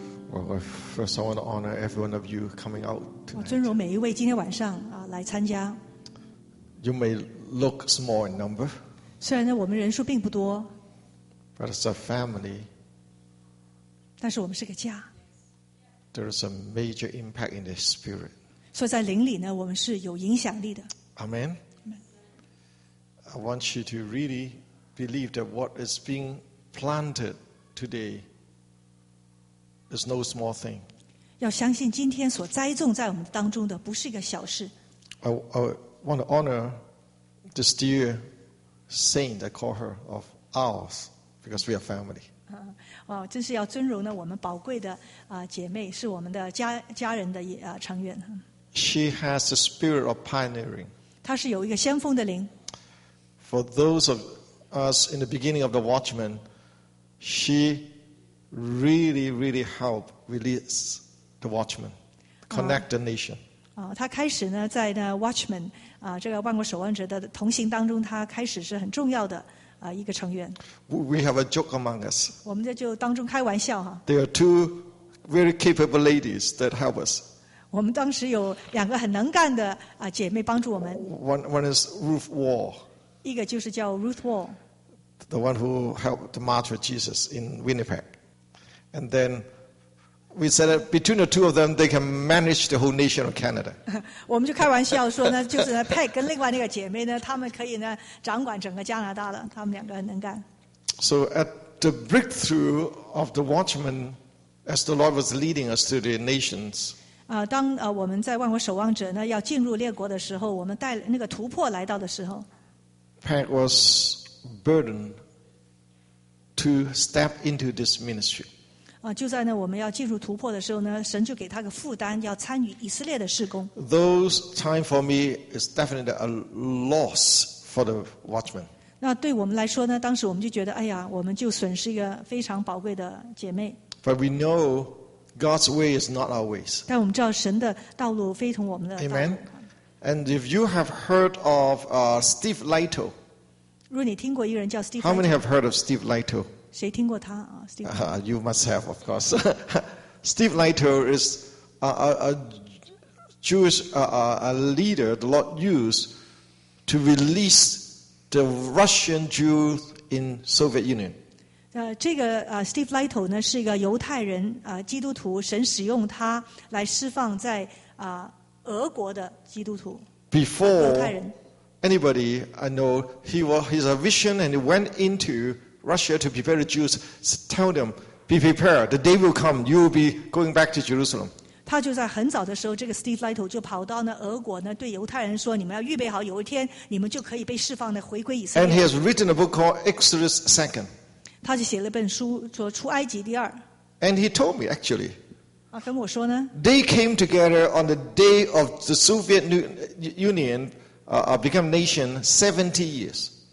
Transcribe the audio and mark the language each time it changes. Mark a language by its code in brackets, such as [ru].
[en] Well, first, I want to honor every one of you coming out tonight. [zh] 我尊荣每一位今天晚上来参加。 [en] You may look small in number. [zh] 虽然呢，我们人数并不多。 [en] But it's a family. [zh] 但是我们是个家。 [en] There is a major impact in the spirit. 所以在灵里呢，我们是有影响力的。 Amen. I want you to really believe that what is being planted today. It's no small thing. [zh] 要相信今天所栽种在我们当中的不是一个小事。 [en] I want to honor this dear saint. I call her of ours because we are family. [zh] 真是要尊荣呢，我们宝贵的姐妹是我们的家人的成员。 [en] She has a spirit of pioneering. [zh] 她是有一个先锋的灵。 [en] For those of us in the beginning of the watchman, she. Really, really help release the watchman, connect the nation. [zh] 他开始呢，在那 watchman 这个万国守望者的同行当中，他开始是很重要的一个成员。 [en] We have a joke among us. [zh] 我们就当中开玩笑哈。 [en] There are two very capable ladies that help us. [zh] 我们当时有两个很能干的姐妹帮助我们。 [en] One is Ruth Wall. [zh] 一个就是叫 Ruth Wall. [en] The one who helped to march with Jesus in Winnipeg. And then we said that between the two of them, they can manage the whole nation of Canada. [zh] 我们就开玩笑说呢，就是呢 ，Peg 跟另外那个姐妹呢，她们可以呢掌管整个加拿大了，她们两个很能干。 [en] So at the breakthrough of the watchman, as the Lord was leading us to the nations. [zh] 当我们在万国守望者呢要进入列国的时候，我们带那个突破来到的时候 [en] Pat was burdened to step into this ministry. [zh] 就在呢我们要进入突破的时候呢，神就给他个负担，要参与以色列的事工。 [en] Those time for me is definitely a loss for the watchman. [zh] 那对我们来说呢，当时我们就觉得，哎呀，我们就损失一个非常宝贵的姐妹。 [en] But we knowGod's way is not our ways. [zh] 但我们知道神的道路非同我们的道路。 [en] Amen. And if you have heard of Steve Lito, [zh] 如果你听过一个人叫 Steve Lito, [en] how many have heard of Steve Lito? [zh] 谁听过他啊 ？Steve. [en] You must have, of course. Steve Lito is a Jewish a leader the Lord used to release the Russian Jews in Soviet Union. [zh] 这个Steve Lito 呢是一个犹太人基督徒，神使用他来释放在俄国的基督徒。 [en] Before、 [zh] 犹太人 [en] anybody I know, he's a vision and he went into Russia to prepare the Jews, tell them, be prepared, the day will come, you will be going back to Jerusalem. [zh] 他就在很早的时候，这个 Steve Lito 就跑到那俄国呢，对犹太人说，你们要预备好，有一天你们就可以被释放的回归以色列。 [en] And he has written a book called Exodus Second. [zh] 他就写了一本书，说出埃及第二。 [en] And he told me actually. [zh] 跟我说呢。 [en] They came together on the day of the Soviet Union become nation 70 years.